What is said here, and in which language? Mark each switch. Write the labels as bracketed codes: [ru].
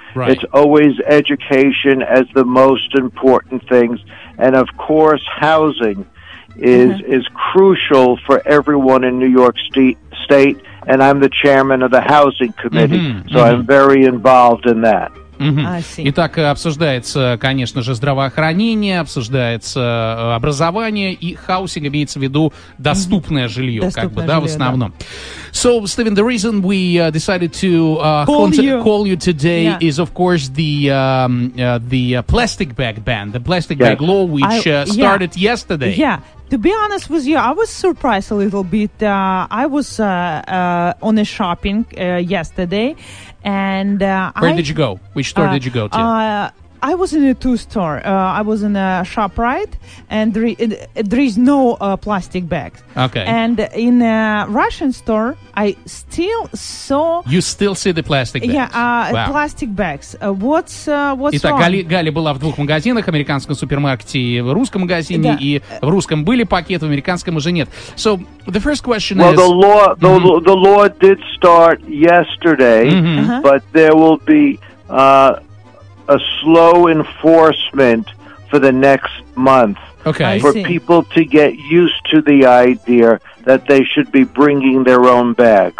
[en] right. It's always education as the most important things, and of course, housing is crucial for everyone in New York State, and I'm the chairman of the housing committee, I'm very involved in that. [ru] Итак, обсуждается, конечно же, здравоохранение, обсуждается образование и хаусинг, имеется в виду доступное жилье, в основном. [en] So, Stephen, the reason we decided to call you today is, of course, the plastic bag ban, the plastic bag law, which started yesterday. Yeah. To be honest with you, I was surprised a little bit. I was on a shopping yesterday, and where did you go? Which store did you go to? I was in a two store. I was in a ShopRite, and there is no plastic bags. Okay. And in a Russian store, I still saw. You still see the plastic bags? Yeah, plastic bags. What's [ru] Итак, [en] wrong? [ru] Итак, Галя была в двух магазинах: американском супермаркете и в русском магазине. Yeah. И в русском были пакеты, в американском уже нет. [en] So the first question is. Well, the law did start yesterday, but there will be. A slow enforcement for the next month. Okay. For people to get used to the idea that they should be bringing their own bags.